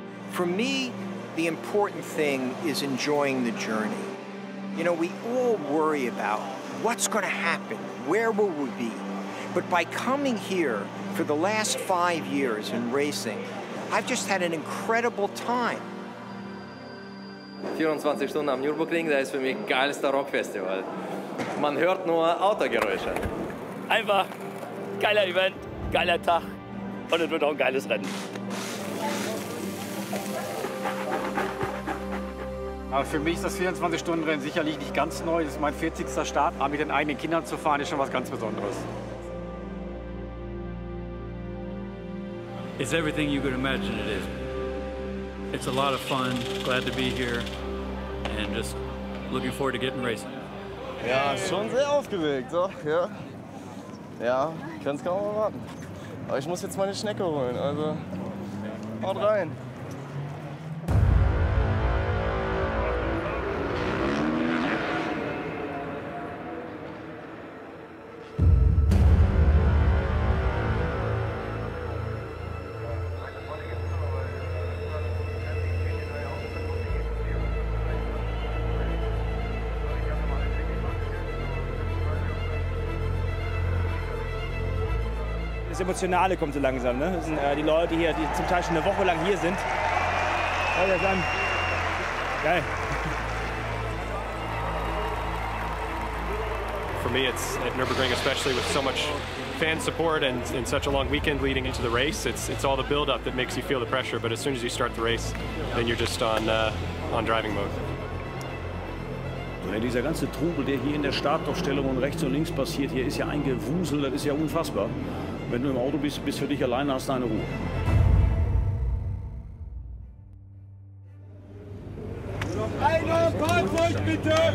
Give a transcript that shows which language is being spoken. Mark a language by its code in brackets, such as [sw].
[en] For me, the important thing is enjoying the journey. You know, we all worry about what's going to happen, where will we be? But by coming here for the last 5 years in racing, I've just had an incredible time. [de] 24 Stunden am Nürburgring, das ist für mich geilster Rockfestival. Man hört nur Autogeräusche. Einfach geiler Event, geiler Tag und es wird auch ein geiles Rennen. Aber für mich ist das 24-Stunden-Rennen sicherlich nicht ganz neu. Das ist mein 40. Start. Aber mit den eigenen Kindern zu fahren, ist schon was ganz Besonderes. [en] It's everything you could imagine it is. It's a lot of fun, glad to be here, and just looking forward to getting racing. [de] Ja, schon sehr aufgeregt, doch, ja. Ja, kann's kaum erwarten. Aber ich muss jetzt meine Schnecke holen, also Haut rein. Das Emotionale kommt so langsam, ne? Das sind die Leute hier, die zum Teil schon eine Woche lang hier sind. Hör dir das an. Geil. [en] For me, it's at Nürburgring, especially with so much fan support and such a long weekend leading into the race, it's all the build-up that makes you feel the pressure. But as soon as you start the race, then you're just on driving mode. [de] Ja, dieser ganze Trubel, der hier in der Startaufstellung und rechts und links passiert, hier ist ja ein Gewusel, das ist ja unfassbar. Wenn du im Auto bist, bist du für dich alleine, hast deine Ruhe. Noch einer, fahrt euch bitte!